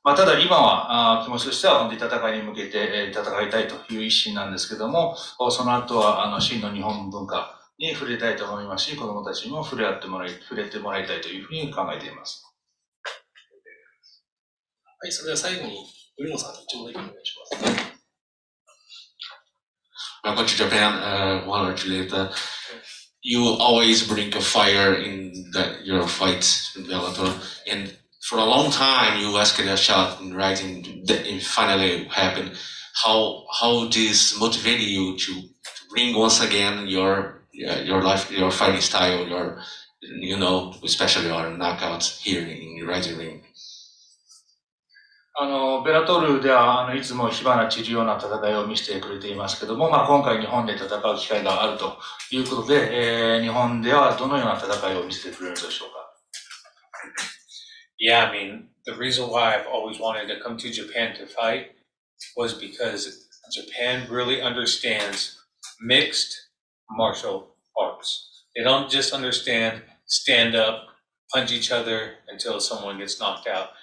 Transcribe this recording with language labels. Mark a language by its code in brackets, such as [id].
[ja] まあ、ただ今は気持ちとしては本当に戦いに向けて戦いたいという一心なんですけども、その後は真の日本文化に触れたいと思いますし、子どもたちにも触れてもらいたいというふうに考えています。はい、それでは最後に宇野さん、一問だけお願いします。 [en] Welcome to Japan, Juan Archuleta. You always bring a fire in your fights in Bellator. And for a long time, you asked a shot in writing that it finally happened. How this motivated you to bring once again your life, your fighting style, your, you know, especially your knockouts here in the Rizin ring? [ja] ベラトルではいつも火花散るような戦いを見せてくれていますけども、まあ、今回日本で戦う機会があるということで、日本ではどのような戦いを見せてくれるでしょうか [en] Yeah, I mean, the reason why I've always wanted to come to Japan to fight was because Japan really understands mixed martial arts. They don't just understand stand up, punch each other until someone gets knocked out.